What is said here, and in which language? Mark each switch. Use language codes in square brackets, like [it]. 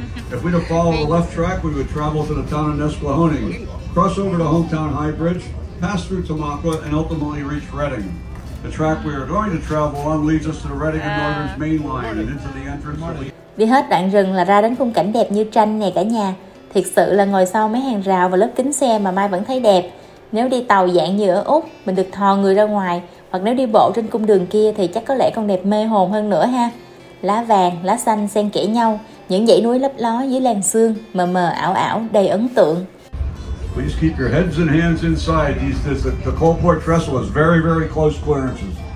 [en] If we'd have followed the left track, we would travel to the town of Nesquehoning, cross over to Hometown High Bridge, pass through Tamaqua, and ultimately reach Redding. The track we are going to travel on leads us to the Redding and Northern's main line and into the entrance. [vi] Đi hết đoạn rừng là ra đến khung cảnh đẹp như tranh này cả nhà. Thiệt sự là ngồi sau mấy hàng rào và lớp kính xe mà Mai vẫn thấy đẹp. Nếu đi tàu dạng như ở Úc, mình được thò người ra ngoài, hoặc nếu đi bộ trên cung đường kia thì chắc có lẽ còn đẹp mê hồn hơn nữa ha. Lá vàng, lá xanh xen kẽ nhau, những dãy núi lấp ló dưới làn sương mờ mờ ảo ảo đầy ấn tượng. [en] Please keep your heads and hands inside. The Coalport Trestle is very very close clearances.